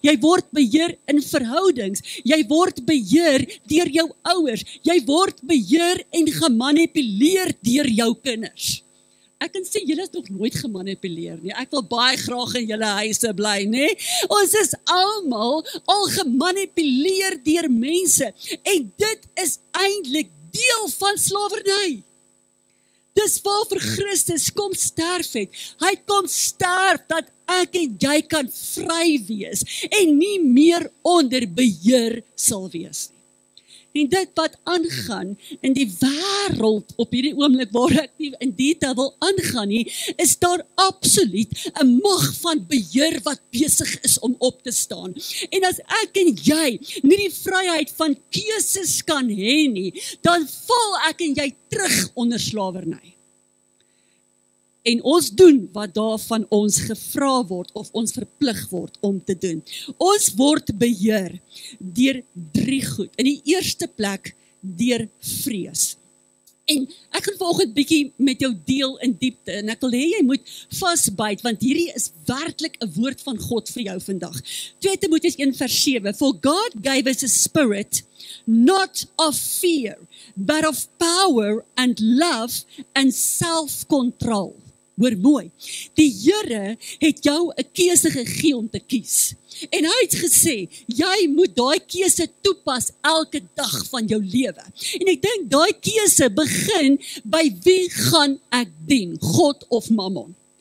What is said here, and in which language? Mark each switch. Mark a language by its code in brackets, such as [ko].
[af] Jy word beheer in verhoudings. Jy word beheer deur jou ouers. Jy word beheer en gemanipuleer deur jou kinders. Ek kan sê, julle is nog nooit gemanipuleer nie. Ek wil baie graag in julle huise bly, nie. Ons is allemaal al gemanipuleer deur mense. En dit is eindelijk deel van slavernij. Dis waarvoor Christus kom sterf het. Hy kom sterf dat ek en jy kan vry wees. En nie meer onder beheer sal wees. En dit wat aangaan in die wêreld op hierdie oomblik waar ek nie in detail wil aangaan nie, is daar absoluut 'n mag van beheer wat besig is om op te staan. En as ek en jy nie die vryheid van keuses kan hê nie, dan val ek en jy terug onder slawerny. En ons doen wat daar van ons gevra word of ons verplig word om te doen. Ons word beheer deur drie goed. In die eerste plek deur vrees. En ek gaan vanoggend bietjie met jou deel in diepte en ek wil hê jy moet vasbyt want hierdie is werklik 'n woord van God vir jou vandag. 2 Timoteus 1 vers 7 [en] For God gave us a spirit not of fear but of power and love and self-control. [af] Hoor mooi, die Here het jou 'n keuse gegee om te kies. En hy het gesê, jy moet daai keuse toepas elke dag van jou lewe. En ek dink daai keuse begin by wie gaan ek dien, God of Mammon?